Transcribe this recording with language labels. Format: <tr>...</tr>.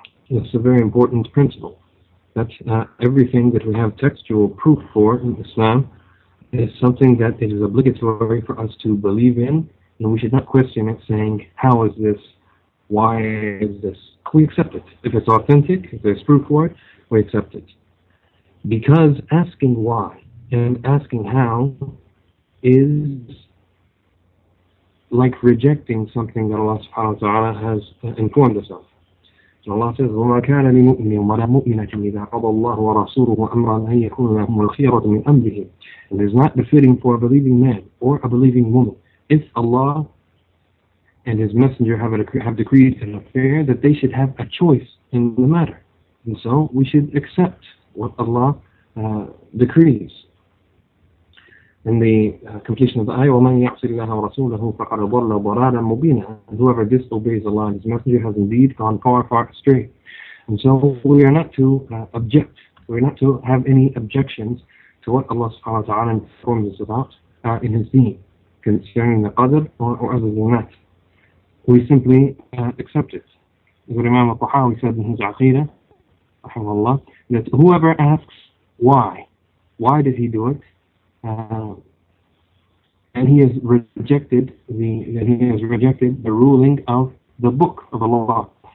<en>This is a very important principle. That everything that we have textual proof for in Islam is something that it is obligatory for us to believe in, and we should not question it saying, how is this, why is this? We accept it. If it's authentic, if there's proof for it, we accept it. Because asking why and asking how is like rejecting something that Allah subhanahu wa ta'ala has informed us of. So Allah says,</en> <ar>وَمَا كَانَ لِمُؤْمِنٍ وَلَا مُؤْمِنَةٍ إِذَا قَضَى اللَّهُ وَرَسُولُهُ أَمْرًا أَنْ يَكُونَ لَهُمُ الْخِيَرَةُ مِنْ أَمْرِهِمْ.</ar> <en>And it is not befitting for a believing man or a believing woman if Allah and His Messenger have decreed an affair that they should have a choice in the matter. And so we should accept what Allah decrees. in the completion of the ayah,</en> <ar>وَمَنْ يَعْصِ اللَّهَ وَرَسُولَهُ فَقَدْ ضَلَّ ضَلَالًا مُبِينًا.</ar> <en>And whoever disobeys Allah and His Messenger has indeed gone far, far astray. And so we are not to object, we are not to have any objections to what Allah subhanahu wa ta'ala informs us about in His deen concerning the qadr or other than that. We simply accept it. As Imam al-Tahawi said in his Aqeedah, rahimahullah, that whoever asks why did he do it, and he has rejected the ruling of the book of Allah.</en>